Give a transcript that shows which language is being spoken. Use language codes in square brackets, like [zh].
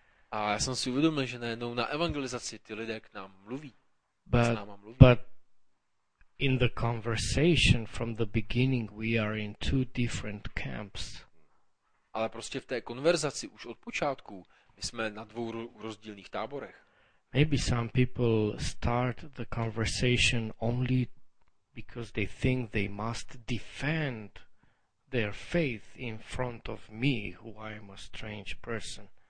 [cs] A já jsem si uvědomil, že najednou na evangelizaci ty lidé k nám mluví. [en] But in the conversation from the beginning we are in two different camps. [cs] ale prostě v té konverzaci už od počátku my jsme na dvou rozdílných táborech. [en] Maybe some people start the conversation only because they think they must defend their faith in front of me, who I am a strange person.